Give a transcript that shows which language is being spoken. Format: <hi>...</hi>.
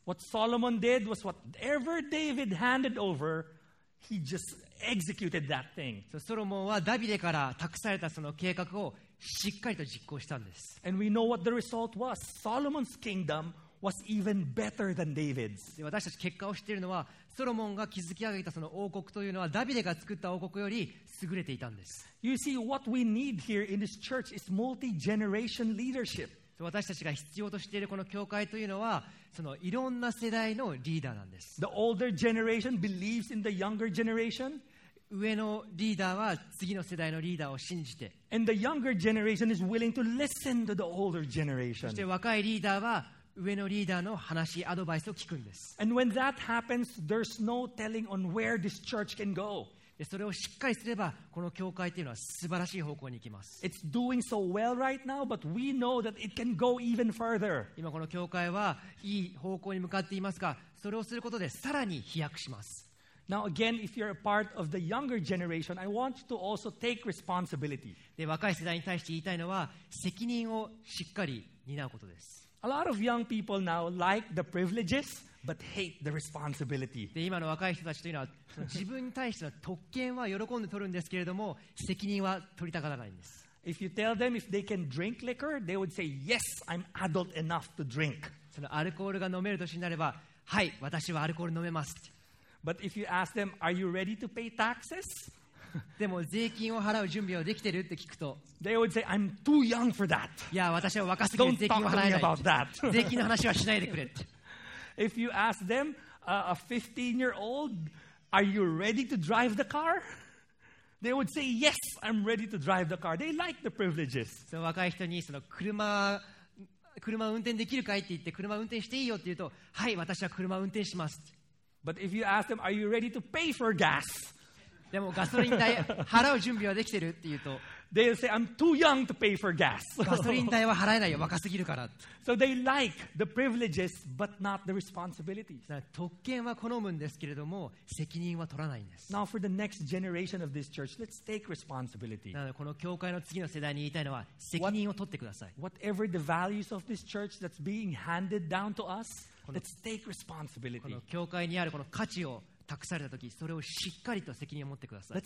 <en>What Solomon did was whatever David handed over, he just executed that thing.</en> <ja>ソロモンはダビデから託されたその計画をしっかりと実行したんです。</ja> <en>And we know what the result was. Solomon's kingdomWas even better than David's.</en> <ja>私たち結果を知っているのはソロモンが築き上げたその王国というのはダビデが作った王国より優れていたんです。</ja> <en>You see, what we need here in this church is multi-generation leadership.</en> <ja>私たちが必要としているこの教会というのはそのいろんな世代のリーダーなんです。</ja> <en>The older generation believes in the younger generation.</en> <ja>上のリーダーは次の世代のリーダーを信じて、</ja> <en>And the younger generation is willing to listen to the older generation.</en> <ja>そして若いリーダーは上のリーダーの話アドバイスを聞くんです。</ja> <en>And when that happens, there's no telling on where this church can go.</en> <ja>で、それをしっかりすればこの教会というのは素晴らしい方向に行きます。</ja> <en>It's doing so well right now, but we know that it can go even further.</en> <ja>今この教会はいい方向に向かっていますが、それをすることでさらに飛躍します。</ja> <en>Now again, if you're a part of the younger generation, I want you to also take responsibility.</en> <ja>で、若い世代に対して言いたいのは責任をしっかり担うことです。</ja> <en>A lot of young people now like the privileges but hate the responsibility.</en> <ja>で、今の若い人たちというのは自分に対しての特権は喜んで取るんですけれども、責任は取りたがらないんです。</ja> <en>If you tell them if they can drink liquor, they would say, "Yes, I'm adult enough to drink."</en> <ja>そのアルコールが飲める年になれば、はい、私はアルコール飲めます。</ja> <en>But if you ask them, "Are you ready to pay taxes?"</en> <ja>でも税金を払う準備はできてるって聞くと、</ja> <en>They would say, I'm too young for that.</en> <ja>いや、私は若すぎる税金を払えない。</ja> <en>Don't talk to me about that.</en> <ja>税金の話はしないでくれって。</ja> <en>If you ask them, a 15-year-old, are you ready to drive the car? They would say, yes, I'm ready to drive the car. They like the privileges.</en> <ja>その若い人にその車を運転できるかいって言って、車を運転していいよって言うと、はい、私は車を運転します。</ja> <en>But if you ask them, are you ready to pay for gas?</en> <ja>でもガソリン代払う準備はできてるって言うと</ja> <en>They'll say, I'm too young to pay for gas.</en> <ja>ガソリン代は払えないよ、若すぎるから。</ja> <en>So they like the privileges, but not the responsibilities.</en> <ja>特権は好むんですけれども、責任は取らないんです。</ja> <en>Now for the next generation of this church, let's take responsibility.</en> <ja>なのでこの教会の次の世代に言いたいのは、責任を取ってください。</ja> <en>Whatever the values of this church that's being handed down to us, let's take responsibility.</en> <ja>この教会にあるこの価値を託されたとき、それをしっかりと責任を持ってください。</ja>